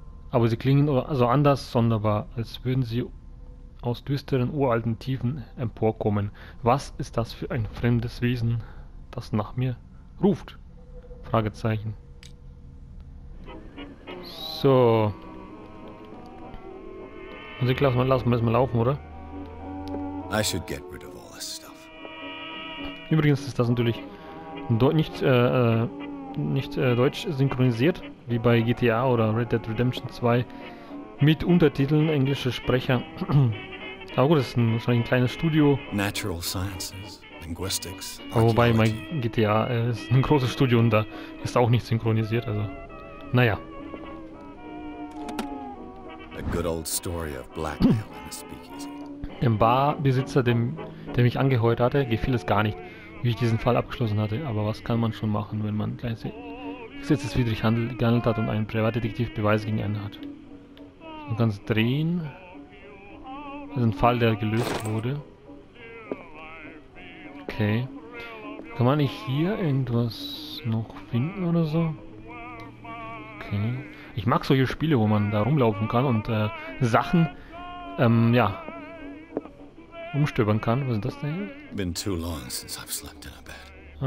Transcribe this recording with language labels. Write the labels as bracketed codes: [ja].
[de] Aber sie klingen also anders, sonderbar, als würden sie aus düsteren, uralten Tiefen emporkommen. Was ist das für ein fremdes Wesen, das nach mir ruft? Fragezeichen. So. Also klar, lassen wir das mal laufen, oder? [en] I should get rid of all this stuff. [de] Übrigens ist das natürlich deutsch synchronisiert, wie bei GTA oder Red Dead Redemption 2 mit Untertiteln, englische Sprecher. Aber gut, das ist wahrscheinlich ein kleines Studio. Natural Sciences, Linguistics. Aber wobei, mein GTA ist ein großes Studio und da ist auch nicht synchronisiert, also. Naja. [en] A good old story of blackmail in a speakeasy. [de] Dem Barbesitzer, der mich angeheuert hatte, gefiel es gar nicht, wie ich diesen Fall abgeschlossen hatte. Aber was kann man schon machen, wenn man gesetzeswidrig gehandelt hat und ein Privatdetektiv Beweise gegen einen hat? Man kann es drehen. Also ein Fall, der gelöst wurde. Okay. Kann man nicht hier irgendwas noch finden oder so? Okay. Ich mag solche Spiele, wo man da rumlaufen kann und Sachen, ja, umstöbern kann. Was ist das denn hier? [en] Been too long since I've slept in a bed.